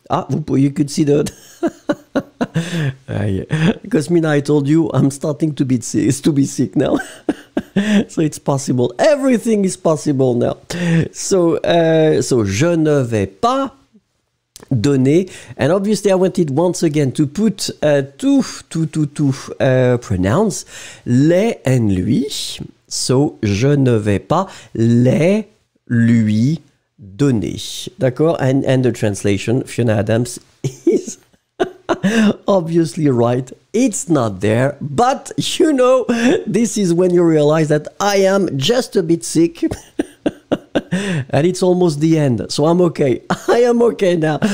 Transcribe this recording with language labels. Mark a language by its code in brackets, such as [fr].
[en] Ah, you could see that. Cosmina, I told you, I'm starting to be sick now. So it's possible. Everything is possible now. So [fr] je ne vais pas donner. [en] And obviously, I wanted once again to put pronouns. [fr] Les and lui. So je ne vais pas les lui donner. D'accord? [en] And the translation, Fiona Adams is obviously right. It's not there. But, you know, this is when you realize that I am just a bit sick. And it's almost the end. So I'm okay. I am okay now.